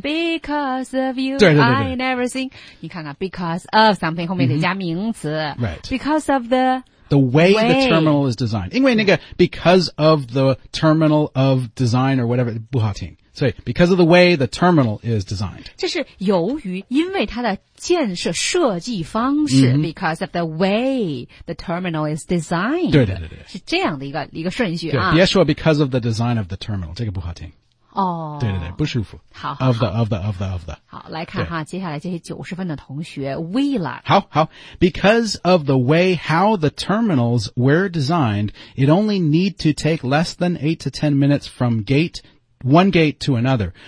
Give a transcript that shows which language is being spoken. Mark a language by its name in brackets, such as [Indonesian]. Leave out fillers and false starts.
[English] because of you [Chinese] 对对对对 [English] I never seen [Chinese] 你看看 [English] because of something [Chinese] 后面得加名词、mm-hmm. [English] right. because of the The way, way the terminal is designed. [Chinese] 因为那个 [English] because of the terminal of design or whatever, [Chinese] 不好听。 [English] 所以 because of the way the terminal is designed. [Chinese] 这是由于因为它的建设设计方式、 mm-hmm. [English] because of the way the terminal is designed. [Chinese] 对对对对。是这样的一个顺序啊。对别说 [English] because of the design of the terminal, [Chinese] 这个不好听。哦、对对对不舒服。好 [English] of the. [Chinese] 好来看哈接下来这些90分的同学 Willa。 [English] 好 ,because of the way how the terminals were designed, it only need to take less than 8 to 10 minutes from one gate to another.